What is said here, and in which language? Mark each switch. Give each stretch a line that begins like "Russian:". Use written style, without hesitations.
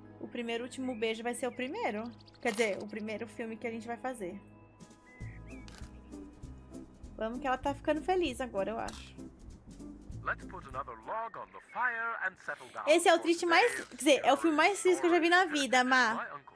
Portuguese: Primeiro último beijo vai ser o primeiro. Quer dizer, o primeiro filme que a gente vai fazer. Vamos que ela tá ficando feliz agora, eu acho.
English: Let's put another log on the fire and settle down.
Portuguese: Esse é o triste mais... Quer dizer, é o filme mais triste que eu já vi na vida, Má.